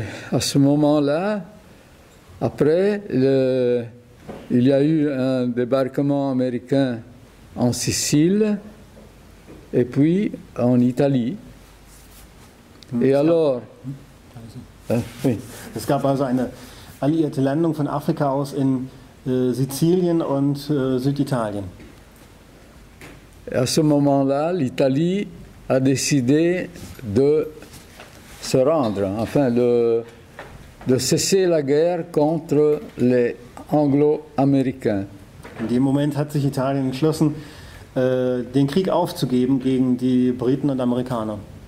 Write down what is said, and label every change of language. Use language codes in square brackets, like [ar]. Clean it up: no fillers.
[fr] À ce moment-là, après, il y a eu un débarquement américain en Sicile et puis en Italie. Et alors, [de] es gab also eine alliierte Landung von Afrika aus in Sizilien und Süditalien. [fr] À ce moment-là, l'Italie a décidé de se rendre, enfin de cesser la guerre contre les Anglo-Américains. [de] In dem Moment hat sich Italien entschlossen, den Krieg aufzugeben gegen die Briten und Amerikaner.